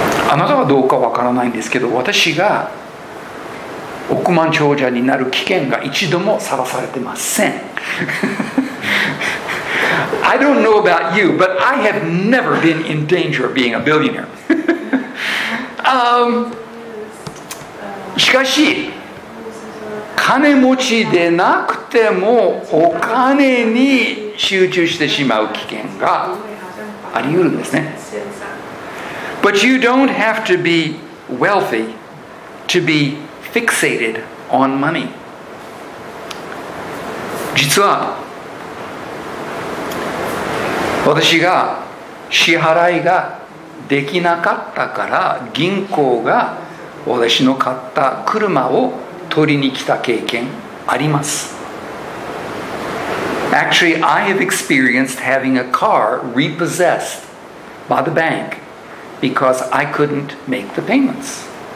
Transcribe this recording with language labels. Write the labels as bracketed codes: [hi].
[ja] あなたはどうかわからないんですけど、私が億万長者になる危険が一度もさらされてません。 [en] I don't know about you, but I have never been in danger of being a billionaire. [ja] しかし、金持ちでなくてもお金に集中してしまう危険があり得るんですね。 [en] But you don't have to be wealthy to be fixated on money. [ja] 実は、私が支払いができなかったから銀行が私の買った車を取りに来た経験あります。 [en] Actually, I have experienced having a car repossessed by the bank because I couldn't make the payments.